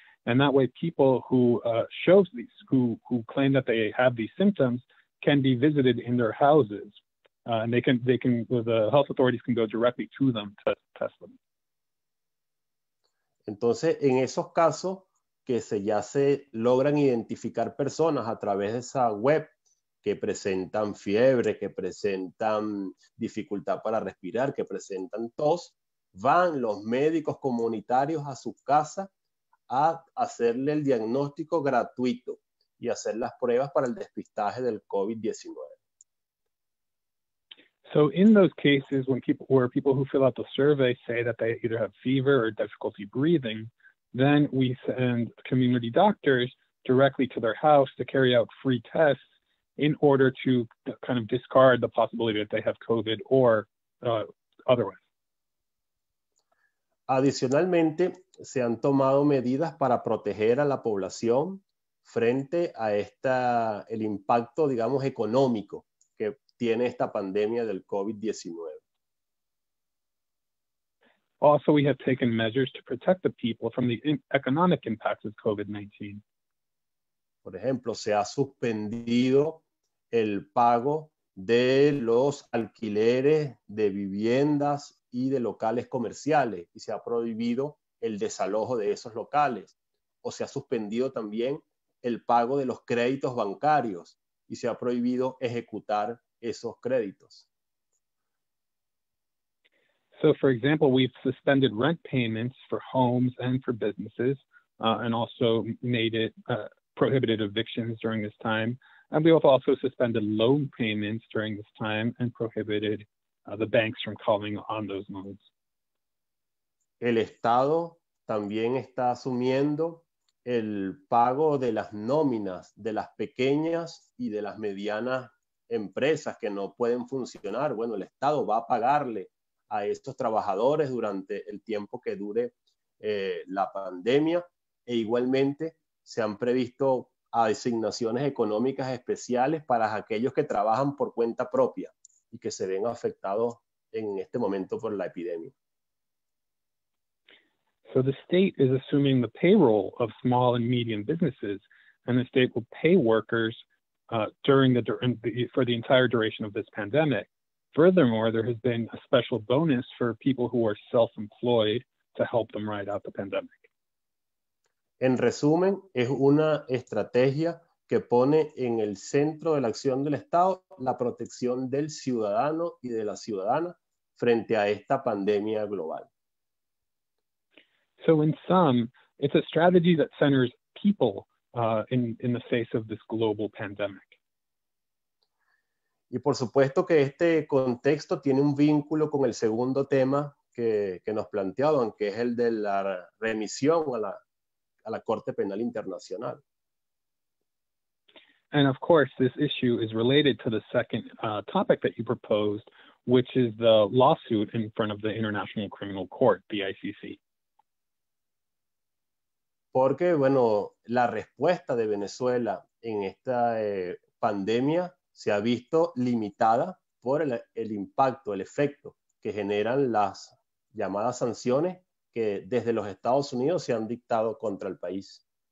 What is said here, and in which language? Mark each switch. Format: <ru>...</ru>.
<en>And that way people who claim that they have these symptoms can be visited in their houses. And they can the health authorities can go directly to them to test them.</en> <es>Entonces, en esos casos que ya se logran identificar personas a través de esa web que presentan fiebre, que presentan dificultad para respirar, que presentan tos, van los médicos comunitarios a su casa a hacerle el diagnóstico gratuito y hacer las pruebas para el despistaje del COVID-19.</es> <en>So in those cases where people who fill out the survey say that they either have fever or difficulty breathing, then we send community doctors directly to their house to carry out free tests in order to kind of discard the possibility that they have COVID or otherwise.</en> <es>Adicionalmente, se han tomado medidas para proteger a la población frente a el impacto, digamos, económico que tiene esta pandemia del COVID-19.</es> <en>Also, we have taken measures to protect the people from the economic impacts of COVID-19.</en> <es>Por ejemplo, se ha suspendido el pago de los alquileres de viviendas y de locales comerciales, y se ha prohibido el desalojo de esos locales. O se ha suspendido también el pago de los créditos bancarios, y se ha prohibido ejecutar esos créditos.</es> <en>So, for example, we've suspended rent payments for homes and for businesses, and also made it prohibited evictions during this time. And we have also suspended loan payments during this time and prohibited the banks from calling on those loans.</en> <es>El Estado también está asumiendo el pago de las nóminas de las pequeñas y de las medianas empresas que no pueden funcionar. Bueno, el Estado va a pagarle a estos trabajadores durante el tiempo que dure la pandemia, e igualmente se han previsto asignaciones económicas especiales para aquellos que trabajan por cuenta propia y que se ven afectados en este momento por la epidemia.</es> <en>So the state is assuming the payroll of small and medium businesses, and the state will pay workers for the entire duration of this pandemic. Furthermore, there has been a special bonus for people who are self-employed to help them ride out the pandemic.</en> <es>En resumen, es una estrategia que pone en el centro de la acción del Estado la protección del ciudadano y de la ciudadana frente a esta pandemia global.</es> <en>So in sum, it's a strategy that centers people in the face of this global pandemic.</en> <es>Y por supuesto que este contexto tiene un vínculo con el segundo tema que nos planteaban, que es el de la remisión a la Corte Penal Internacional.</es> <en>And of course, this issue is related to the second topic that you proposed, which is the lawsuit in front of the International Criminal Court, the ICC.</en> <es>Porque, bueno, la respuesta de Venezuela en esta pandemia se ha visto limitada por el impacto, el efecto que generan las llamadas sanciones que desde los Estados Unidos se han dictado contra el país.</es>